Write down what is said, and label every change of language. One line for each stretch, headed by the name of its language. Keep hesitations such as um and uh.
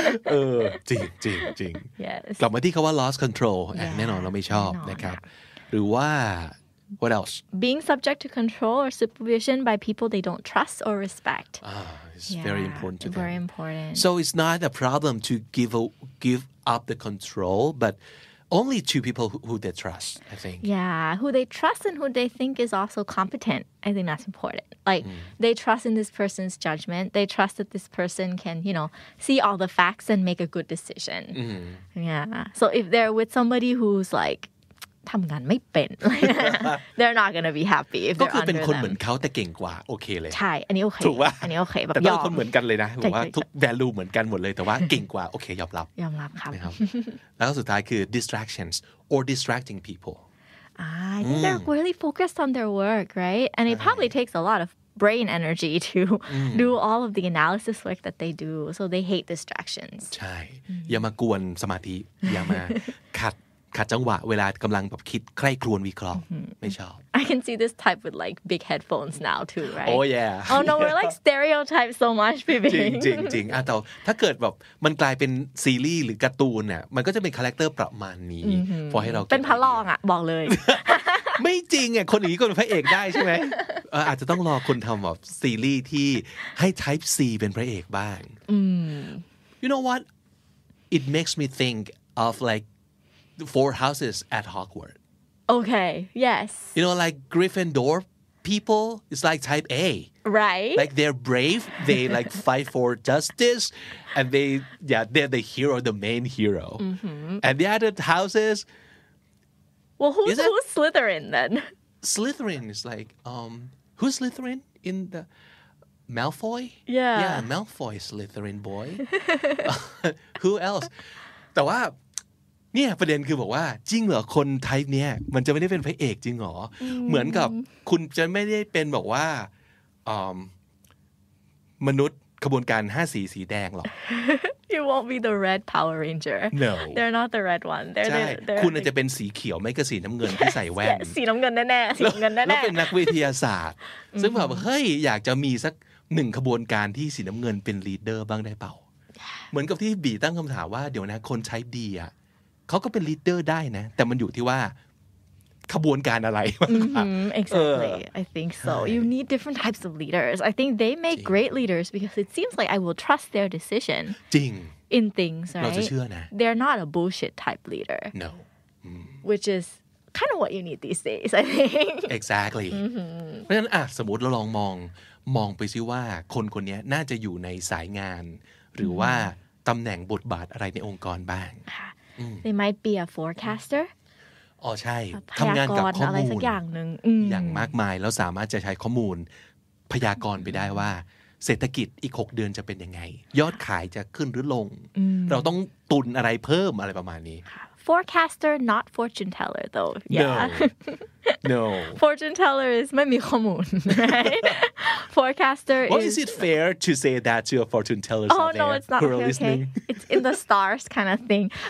Thai: เออจริงจริงจริงกลับมาที่คาว่า lost control แน่นอนเราไม่ชอบนะครับหรือว่า
English: what else being subject to control or supervision by people they don't trust or respect ah, it's very important to them very important so it's not a problem to give give up the control but only two people who, who, they trust i think yeah who they trust and who they think is also competent i think that's important like mm. they trust in this person's judgment they trust that this person can you know see all the facts and make a good decision mm. yeah so if they're with somebody who's like
Thai: ทำงานไม่เป็น
English: they're not gonna be happy
Thai: ก็คือเป็นคนเหมือน เขาแต่เก่งกว่า โอเคเลย ใช่ อั นนี้โอเคถูกว่าอันนี้โอเคแบบยอมคนเหมือนกัน เลยนะถือว่าทุก value เหมือนกันหมดเลยแต่ว่าเก่งกว่า โอเคยอมรับ ยอมรับครับ แล้วสุดท้ายคือ
English: distractions or distracting people I t h they're really focused on their work right and it probably takes a lot of brain energy to do all of the analysis work that they do so they hate distractions
Thai: ใช่อย่ามากวนสมาธิอย่ามาขัดขัดจังหวะเวลากำลังแบบคิดใคร่ครวญวิเคราะห์ ไม่ชอบ
English: I can see this type with like big headphones now too right Oh yeah Oh no we're like stereotype so much b a b y
Thai: จริงจริงอะ แต่ถ้าเกิดแบบมันกลายเป็นซีรีส์หรือการ์ตูนเนี่ยมันก็จะเป็นคาแรคเตอร์ประมาณนี้พอให้เราเป็น พระรองอะบอกเลย ไม่จริงอ่ะคนนี้คนพระเอกได้ใช่ไหมอาจจะต้องรอคนทำแบบซีรีส์ที่ให้ type C เป็นพระเอกบ้าง
English: you know what it makes me think of like four houses at Hogwarts. Okay. Yes. You know, like Gryffindor people, it's like type A. Right. Like they're brave. They like fight for justice, and they yeah they're the hero, the main hero. Mm-hmm. And the other houses. Well, who, who's, who's Slytherin then? Slytherin is like um who's Slytherin in the Malfoy? Yeah. Yeah, Malfoy Slytherin boy. who else? The oh, wow.
Thai: นี่ยประเด็นคือบอกว่าจริงเหรอคนไทยเนี่ยมันจะไม่ได้เป็นพระเอกจริงหรอเหมือนกับคุณจะไม่ได้เป็นบอกว่ามมนุษย์ขบวนการห้าสีสีแดงหรอก
English: You won't be the red Power Ranger No They're not the red one They're the
Thai: คุณอาจจ ะเป็นสีเขียวไม่ก็สีน้ำเงิน yes, ที่ใส่แว่น yes, สีน้ำเงินแน่แน่สีน้ำเงินแน่แน่แล้วเป็น นักวิทยาศาสตร์ ซึ่งแบบเฮ้ยอยากจะมีสักหนึ่งขบวนการที่สีน้ำเงินเป็นลีดเดอร์ บ้างได้เปล่า เหมือนกับที่บีตั้งคำถามว่าเดี๋ยวนะคนใช้ดีอะขาก็เป็นลีดเดอร์ได้นะแต่มันอยู่ที่ว่าขบวนการอะไราก exactly
English: I think so you need different types of leaders I think they make great leaders because it seems like I will trust their decision จริง in things right
Thai: เราจะเชื่อนะ
English: they're not a bullshit type leader no which is kind of what you need these days I think
Thai: exactly เพราะฉะนั้นสมมติเราลองมองมองไปซิว่าคนคนนี้น่าจะอยู่ในสายงาน หรือว่าตำแหน่งบทบาทอะไรในองค์กรบ้าง
English: they might be a forecaster
Thai: อ๋อใช่ทำงานกับข้อมูลออยอย่างมากมายแล้วสามารถจะใช้ข้อมูลพยากรณ์ไปได้ว่า เศรษฐกิจอีก6เดือนจะเป็นยังไงยอดขายจะขึ้นหรือลง เราต้องตุนอะไรเพิ่มอะไรประมาณนี้
English: forecaster not fortune teller though yeah no, no. fortune teller is my right forecaster well, is... is it fair to say that to a fortune teller oh no it's not okay, okay. it's in the stars kind of thing